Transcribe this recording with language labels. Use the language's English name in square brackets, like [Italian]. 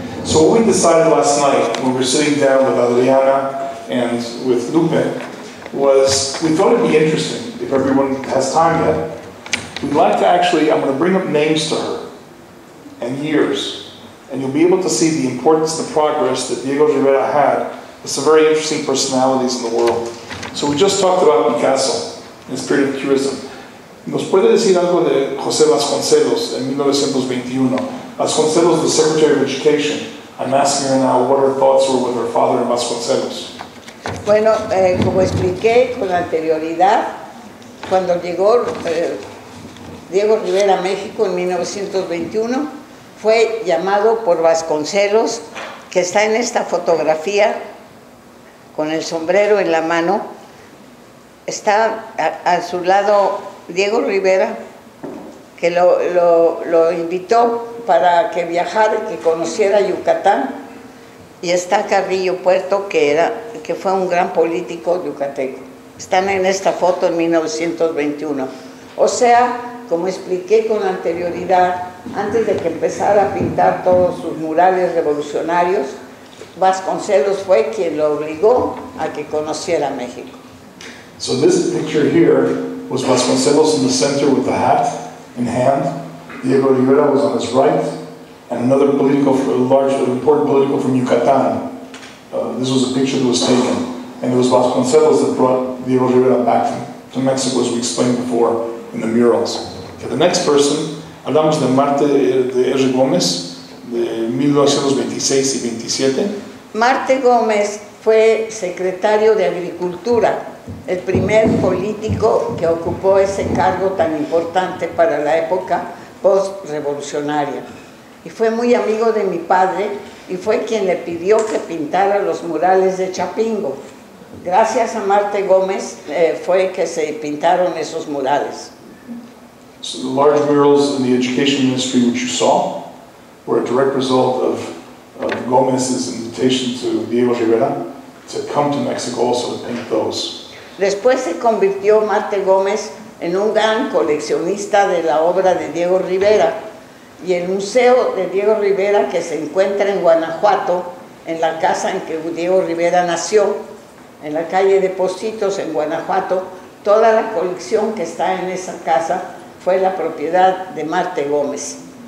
[English] So what we decided last night, when we were sitting down with Adriana and with Lupe, was we thought it'd be interesting, if everyone has time yet, we'd like to actually, I'm going to bring up names to her and years, and you'll be able to see the importance and the progress that Diego Rivera had with some very interesting personalities in the world. So we just talked about Picasso in the spirit of Cubism. [Spanish] ¿Nos puede decir algo de José Vasconcelos en 1921? [English] Vasconcelos, the Secretary of Education. I'm asking her now what her thoughts were with her father and Vasconcelos. [Spanish] Bueno, como expliqué con anterioridad, cuando llegó Diego Rivera a México en 1921, fue llamado por Vasconcelos, que está en esta fotografía con el sombrero en la mano. Está a su lado Diego Rivera, que lo invitó para que viajara y que conociera Yucatán. Y está Carrillo Puerto, que fue un gran político yucateco. Están en esta foto en 1921. O sea, como expliqué con anterioridad, antes de que empezara a pintar todos sus murales revolucionarios, Vasconcelos fue quien lo obligó a que conociera México. [English] So this picture here was Vasconcelos in the center with the hat in hand. Diego Rivera was on his right. And another political, important political from Yucatán. This was a picture that was taken. And it was Vasconcelos that brought Diego Rivera back to Mexico, as we explained before, in the murals. Okay, the next person, [Spanish] hablamos de Marte de R. Gómez, de 1926 y 27. Marte Gómez fue secretario de Agricultura, el primer político que ocupó ese cargo tan importante para la época post-revolucionaria. Y fue muy amigo de mi padre y fue quien le pidió que pintara los murales de Chapingo. Gracias a Marte Gómez fue que se pintaron esos murales. [English] So the large murals in the education ministry which you saw were a direct result of Gómez's invitation to Diego Rivera to come to Mexico also to paint those. [Spanish] Después se convirtió Marte Gómez en un gran coleccionista de la obra de Diego Rivera. Y el museo de Diego Rivera, que se encuentra en Guanajuato, en la casa en que Diego Rivera nació, en la calle de Positos, en Guanajuato, toda la colección que está en esa casa fue la propiedad de Marte Gómez.